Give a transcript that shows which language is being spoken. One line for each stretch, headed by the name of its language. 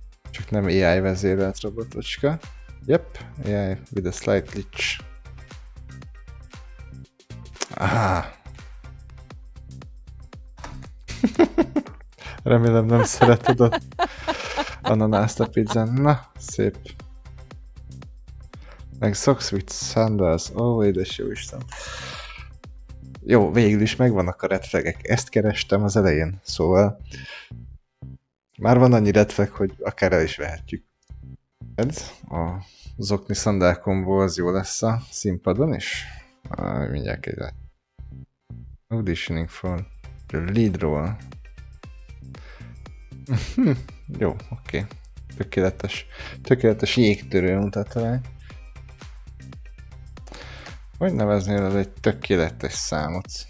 Hungarian: Csak nem AI vezérelt robotocska.
English: Yep, AI with a slight glitch. Aha.
Hungarian: Remélem nem szereted a Ananászt a pizzán. Na, szép. Meg
English: socks with sandals.
Hungarian: Ó, édes jó Isten. Jó, végül is megvannak a red flagek. Ezt kerestem az elején, szóval már van annyi red flag, hogy akár el is vehetjük. Ez a zokni szandál kombó az jó lesz a színpadon is. Mindjárt kérlek.
English: Auditioning for the lead role.
Hungarian: Jó, oké. Okay. Tökéletes. Tökéletes jégtörő mutatvány. Hogy neveznél az egy tökéletes számot?